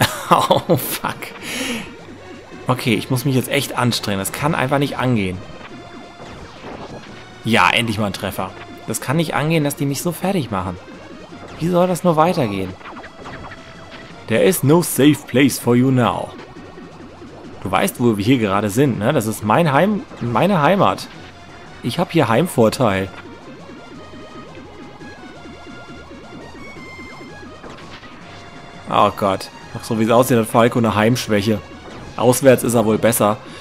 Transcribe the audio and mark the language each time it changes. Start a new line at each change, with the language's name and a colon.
German: Oh, fuck. Okay, ich muss mich jetzt echt anstrengen. Das kann einfach nicht angehen. Ja, endlich mal ein Treffer. Das kann nicht angehen, dass die mich so fertig machen. Wie soll das nur weitergehen?
English: There is no safe place for you now.
German: Du weißt, wo wir hier gerade sind, ne? Das ist mein Heim, meine Heimat. Ich habe hier Heimvorteil. Oh Gott. Ach, so wie es aussieht, hat Falco eine Heimschwäche. Auswärts ist er wohl besser.